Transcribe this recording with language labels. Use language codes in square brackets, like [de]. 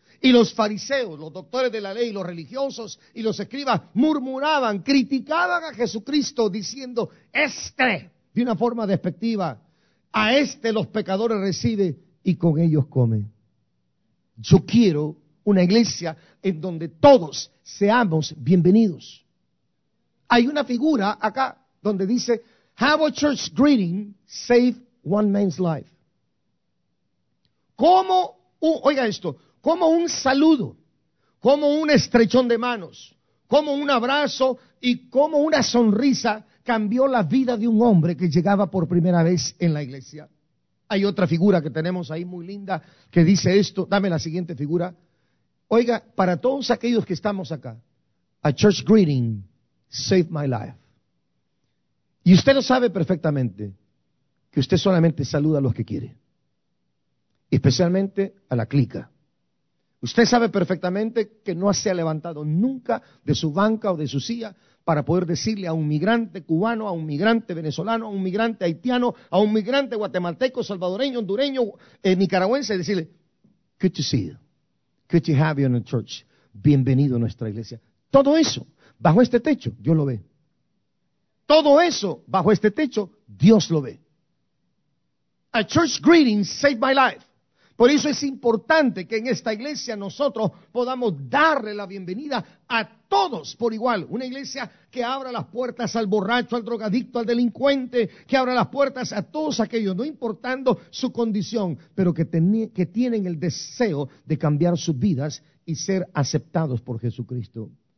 [es] Y los fariseos, los doctores de la ley, los religiosos y los escribas murmuraban, criticaban a Jesucristo diciendo, este, de una forma despectiva, a este los pecadores recibe y con ellos come. Yo quiero una iglesia en donde todos seamos bienvenidos. Hay una figura acá donde dice, [en] How a church greeting saved one man's life. [es] Como, oiga esto, como un saludo, como un estrechón de manos, como un abrazo y como una sonrisa cambió la vida de un hombre que llegaba por primera vez en la iglesia. Hay otra figura que tenemos ahí muy linda que dice esto. Dame la siguiente figura. Oiga, para todos aquellos que estamos acá, [en] a church greeting saved my life. [es] Y usted lo sabe perfectamente, que usted solamente saluda a los que quiere. Especialmente a la clica. Usted sabe perfectamente que no se ha levantado nunca de su banca o de su silla para poder decirle a un migrante cubano, a un migrante venezolano, a un migrante haitiano, a un migrante guatemalteco, salvadoreño, hondureño, nicaragüense, decirle, [en] good to see you, good to have you in the church, [es] bienvenido a nuestra iglesia. Todo eso, bajo este techo, Dios lo ve. Todo eso, bajo este techo, Dios lo ve. [en] A church greeting saved my life. [es] Por eso es importante que en esta iglesia nosotros podamos darle la bienvenida a todos por igual. Una iglesia que abra las puertas al borracho, al drogadicto, al delincuente, que abra las puertas a todos aquellos, no importando su condición, pero que tienen el deseo de cambiar sus vidas y ser aceptados por Jesucristo.